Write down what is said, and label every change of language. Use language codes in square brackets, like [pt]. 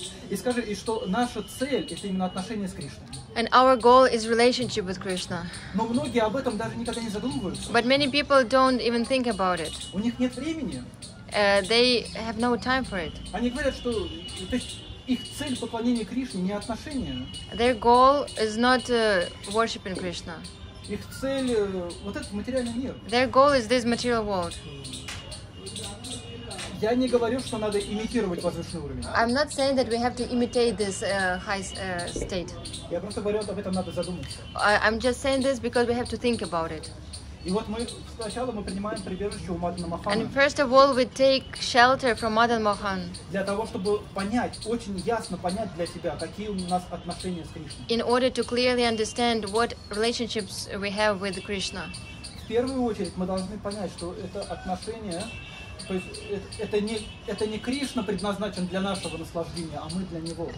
[ru] И скажи, и что наша цель это именно отношения с Кришной. [en] And our goal is relationship with Krishna. [ru] Но многие об этом даже никогда не задумываются. [en] But many people don't even think about it. [ru] У них нет времени. [en] They have no time for it. [ru] Они говорят, что их цель поклонения Кришне не отношения. [en] Their goal is not worshiping Krishna. [ru] Их цель вот этот материальный мир. [en] Their goal is this material world. [ru] Я не говорю, что надо имитировать возвышенный уровень. [en] I'm not saying that we have to imitate this high state. [ru] Я просто говорю, об этом надо задуматься. [en] I'm just saying this because we have to think about it. [ru] И вот мы сначала мы принимаем прибежище у Мадана Махана. [en] And first of all, we take shelter from Madan Mohan. [ru] Для того, чтобы понять, очень ясно понять для себя, какие у нас отношения с Кришной. [en] In order to clearly understand what relationships we have with Krishna. [ru] В первую очередь, мы должны понять, что это отношения. То есть это не Кришна предназначен для нашего наслаждения, а мы для него.